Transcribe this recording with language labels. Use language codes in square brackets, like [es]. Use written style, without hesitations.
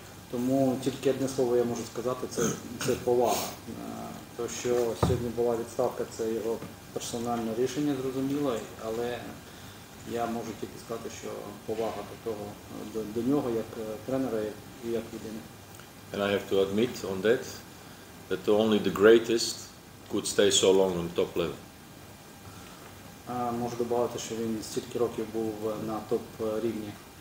[uk] Тому тільки одне слово я можу сказати – це повага. Те, що сьогодні була відставка – це його персональне рішення, зрозуміло. Але я можу тільки сказати, що повага до нього як тренера і як людини. [en] And I have to admit on that only the greatest could stay so long on top level. [uk] Можу добавити, що він стільки років був на топ-рівні.